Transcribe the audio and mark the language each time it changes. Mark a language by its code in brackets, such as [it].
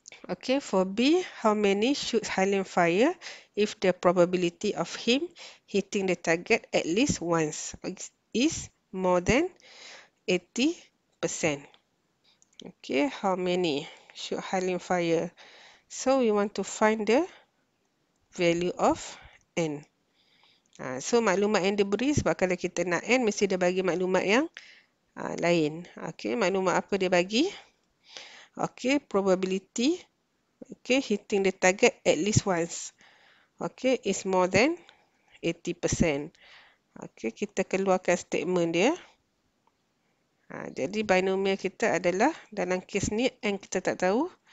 [en] Okay, for B, how many should Halim fire if the probability of him hitting the target at least once is more than 80%? Okay, how many should Halim fire? So, we want to find the value of N. [ms] So, maklumat yang diberi, sebab kalau kita nak N, mesti dia bagi maklumat yang lain. Okay, maklumat apa dia bagi? [en] Okay, probability, okay, hitting the target at least once, okay, is more than 80%. [ms] Okay, kita keluarkan statement dia. Jadi, binomial kita adalah, dalam kes ni, N kita tak tahu.